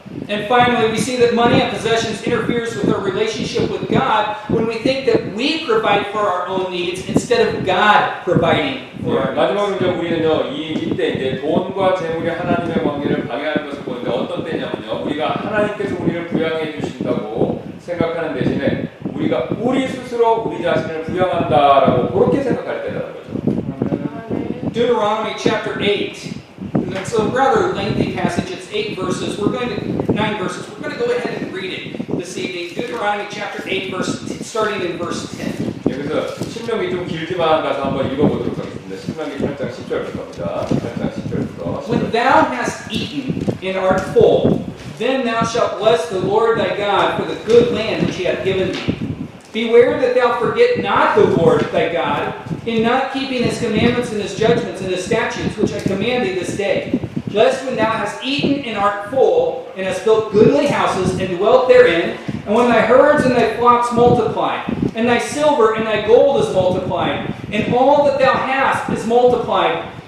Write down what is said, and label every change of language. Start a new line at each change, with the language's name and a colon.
English: And finally, we see that money and possessions interferes with our relationship with God when we think that we provide for our own needs instead of God providing for our needs.
Korean: 마지막으로 우리는요, 이때 이제 돈과 재물이 하나님의 관계를 방해하는 것을 보는데 어떤 때냐면요, 우리가 하나님께서 우리를 부양해 주신다고 생각하는 대신에 우리가 우리 스스로 우리 자신을 부양한다라고 그렇게 생각할 때라는 거죠.
English: Deuteronomy chapter 8. It's a rather lengthy passage. It's 8 verses. Nine verses. We're going to go ahead and read it this evening. Deuteronomy chapter 8, starting in verse 10.
Korean: 예, 그래서 신명이 좀 길지만 가서 한번 읽어보도록 하겠습니다. 신명이 8장 10절부터 갑니다. 8장 10절부터.
English: When thou hast eaten and art full, then thou shalt bless the Lord thy God for the good land which he hath given thee. Beware that thou forget not the Lord thy God, in not keeping his commandments and his judgments and his statutes, which I command thee this day, lest when thou hast eaten and art full, and hast built goodly houses and dwelt therein, and when thy herds and thy flocks multiply, and thy silver and thy gold is multiplied, and all that thou hast is multiplied,